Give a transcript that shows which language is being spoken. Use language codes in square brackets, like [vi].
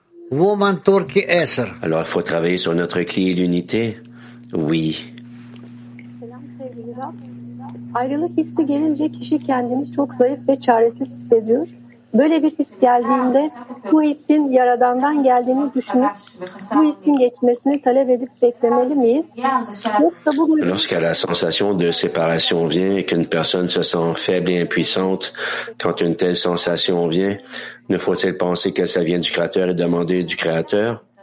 [fr] Alors, il faut travailler sur notre clé et l'unité? Oui. [tr] Ayrılık hissi gelince kişi kendini çok zayıf ve çaresiz hissediyor. Böyle bir his geldiğinde bu hissin Yaradan'dan geldiğini düşünüp bu hissin geçmesini talep edip beklemeli miyiz? Yoksa bu... [fr] Lorsque la sensation de séparation vient et qu'une personne se sent faible et impuissante, quand une telle sensation vient, ne faut-il penser que ça vient du Créateur et demander du Créateur?